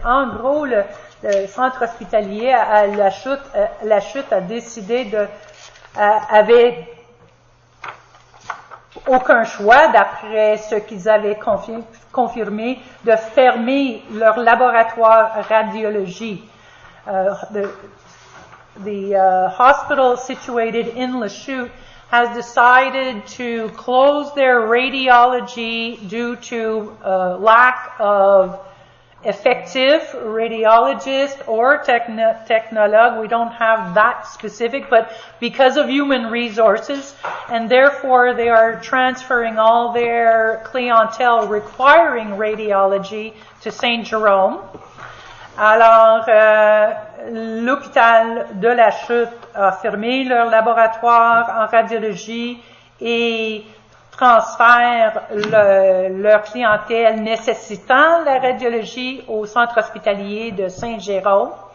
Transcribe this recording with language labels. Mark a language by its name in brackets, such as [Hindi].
[French] En gros, le centre hospitalier à la chute a décidé avait aucun choix, d'après ce qu'ils avaient confirmé, de fermer leur laboratoire radiologie. [English] The hospital situated in Lachute has decided to close their radiology due to lack of effective radiologist or technologue. We don't have that specific, but because of human resources, and therefore they are transferring all their clientele requiring radiology to St. Jerome. [French] Alors, l'hôpital de la Chute a fermé leur laboratoire en radiologie et transfère leur clientèle nécessitant la radiologie au centre hospitalier de Saint-Jérôme.